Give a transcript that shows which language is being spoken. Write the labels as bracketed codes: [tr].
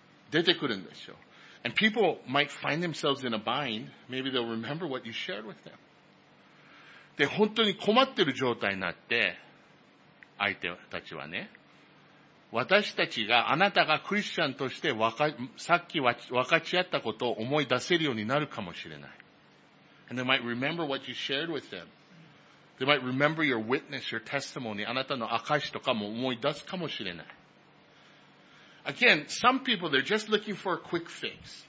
[ja] 出てくるんですよ。 [en] And people might find themselves in a bind. Maybe they'll remember what you shared with them. [ja] で、本当に困ってる状態になって、相手たちはね、私たちが、あなたがクリスチャンとして分かち合ったことを思い出せるようになるかもしれない。 [en] And they might remember what you shared with them. They might remember your witness, your testimony, [ja] あなたの証とかも思い出すかもしれない。 [en] Again, some people, they're just looking for a quick fix.